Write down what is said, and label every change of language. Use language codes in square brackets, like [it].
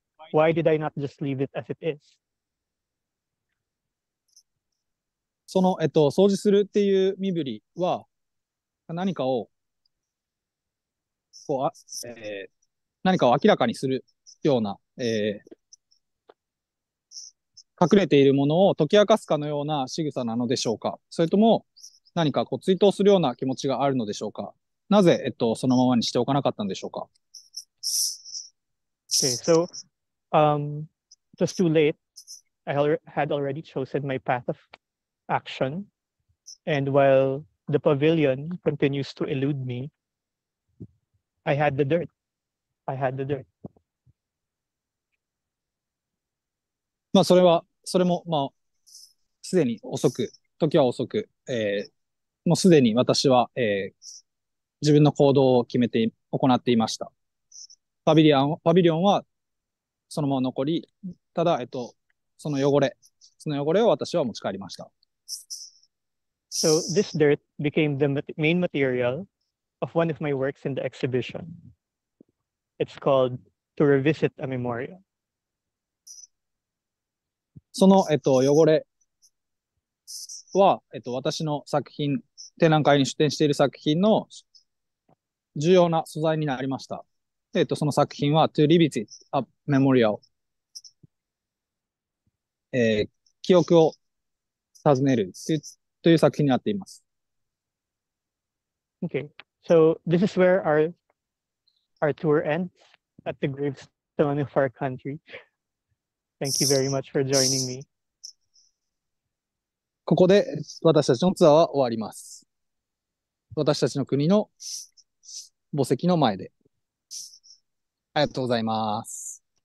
[en] Why did I not just leave it as it is? [ja] その、掃除するっていう身振りは何かをこう、何かを明らかにするような、隠れているものを解き明かすかのような仕草なのでしょうか。それとも何かこう追悼するような気持ちがあるのでしょうか。なぜそのままにしておかなかったんでしょうか。 [en] Okay, so, it was too late. I had already chosen my path of action, and while the pavilion continues to elude me, I had the dirt. I had the dirt. [ja] まあ、それも、まあ、すでに遅く、時は遅く、もうすでに私は、自分の行動を決めて、行っていました。パビリオンは、そのまま残り、ただ、その汚れを私は持ち帰りました。 [en] So, this dirt became the main material of one of my works in the exhibition. It's called To Revisit a Memorial. [ja] その、汚れは、私の作品、展覧会に出展している作品の重要な素材になりました。その作品は、To Revisit a Memorial。記憶を尋ねるという作品になっています。 [en] Okay. So, this is where our tour ends at the gravestone of our country. Thank you very much for joining me. [ja] ここで私たちのツアーは終わります。私たちの国の墓石の前で。ありがとうございます。